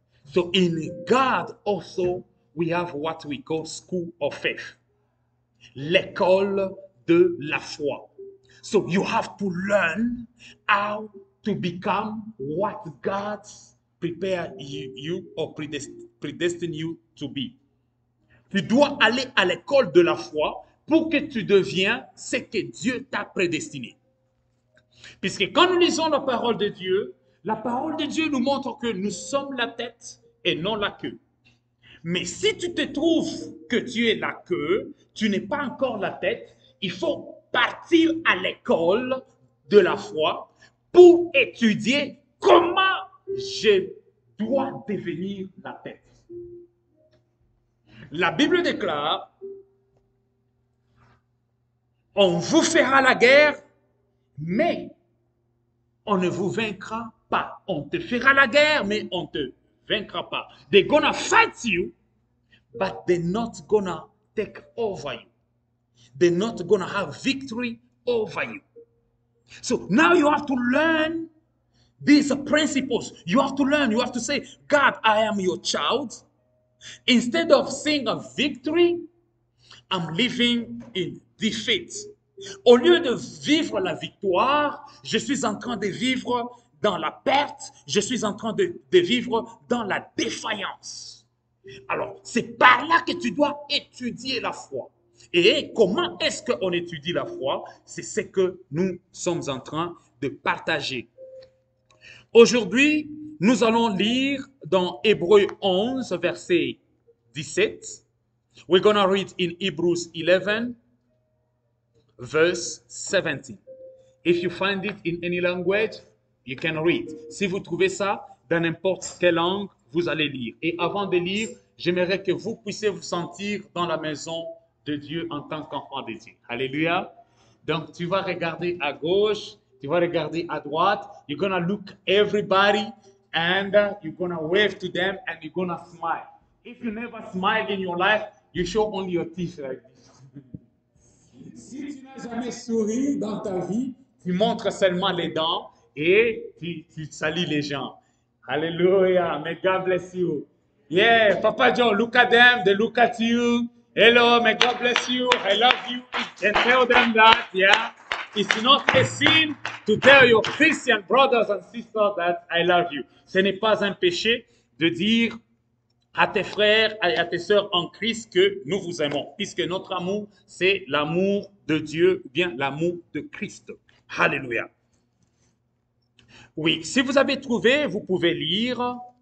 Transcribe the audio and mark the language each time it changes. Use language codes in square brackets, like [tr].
[en] So in God also we have what we call School of Faith, [fr] l'école de la foi. [en] So you have to learn how to become what God prepared you or predestined you to be. [fr] Tu dois aller à l'école de la foi pour que tu deviennes ce que Dieu t'a prédestiné. Puisque quand nous lisons la parole de Dieu nous montre que nous sommes la tête et non la queue. Mais si tu te trouves que tu es la queue, tu n'es pas encore la tête, il faut partir à l'école de la foi pour étudier comment je dois devenir la tête. La Bible déclare, on vous fera la guerre, mais on ne vous vaincra pas. On te fera la guerre, mais on ne te vaincra pas. [en] They're gonna fight you, but they're not gonna take over you. They're not gonna have victory over you. So now you have to learn these principles. You have to learn. You have to say, God, I am your child. Instead of seeing a victory, I'm living in defeat. [fr] Au lieu de vivre la victoire, je suis en train de vivre dans la perte. Je suis en train de vivre dans la défaillance. Alors, c'est par là que tu dois étudier la foi. Et comment est-ce qu'on étudie la foi? C'est ce que nous sommes en train de partager. Aujourd'hui, nous allons lire dans Hébreux 11, verset 17. [en] We're going to read in Hebrews 11, verse 17. If you find it in any language, you can read. [fr] Si vous trouvez ça dans n'importe quelle langue, vous allez lire. Et avant de lire, j'aimerais que vous puissiez vous sentir dans la maison de Dieu en tant qu'enfant de Dieu. Alléluia. Donc, tu vas regarder à gauche, tu vas regarder à droite. [en] You're going to look everybody and you're going to wave to them and you're going to smile. If you never smile in your life, you show only your teeth like this. [fr] Si tu n'as jamais souri dans ta vie, tu montres seulement les dents et tu salues les gens. [en] Alléluia. May God bless you. Yeah, Papa John, look at them, they look at you. Hello, may God bless you. I love you. And tell them that, yeah. It's not a sin to tell your Christian brothers and sisters that I love you. [fr] Ce n'est pas un péché de dire à tes frères et à tes sœurs en Christ que nous vous aimons, puisque notre amour, c'est l'amour de Dieu, ou bien l'amour de Christ. Alléluia. Oui, si vous avez trouvé, vous pouvez lire.